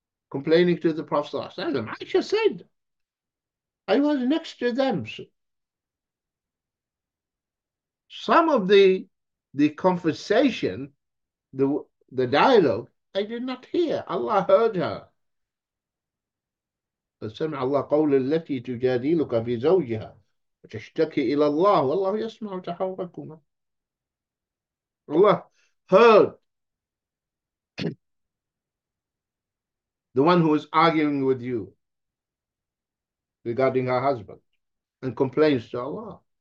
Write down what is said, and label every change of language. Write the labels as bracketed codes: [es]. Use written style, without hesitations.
[en] Complaining to the Prophet ﷺ, Aisha said, I was next to them. Some of the conversation, the dialogue, I did not hear. Allah heard her. [ar] فسمع الله قول التي تجادلك في زوجها وتشتكي إلى الله والله يسمع تحاوركما. [en] Allah heard the one who is arguing with you regarding her husband and complains to Allah.